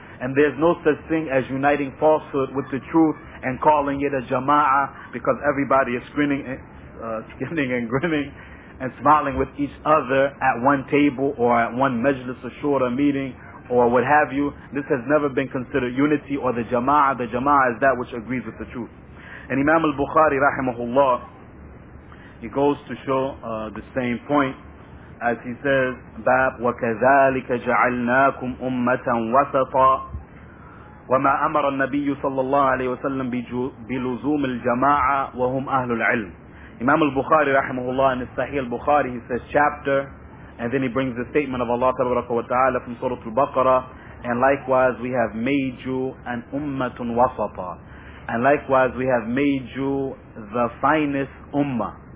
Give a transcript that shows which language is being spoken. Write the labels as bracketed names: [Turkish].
[English] And there's no such thing as uniting falsehood with the truth and calling it a jama'ah, because everybody is grinning and grinning and smiling with each other at one table or at one majlis or shura meeting or what have you. This has never been considered unity or the jama'ah. The jama'ah is that which agrees with the truth. And Imam al-Bukhari rahimahullah, he goes to show the same point as he says, [Arabic] باب وكذلك جعلناكم أمة وسطا وما أمر النبي صلى الله عليه وسلم بلزوم الجماعة وهم أهل العلم. [English] Imam al-Bukhari rahimahullah in his Sahih al-Bukhari, he says chapter, and then he brings the statement of Allah tabaraka wa ta'ala from Surah al-Baqarah, and likewise we have made you an ummatun wasata, and likewise we have made you the finest ummah.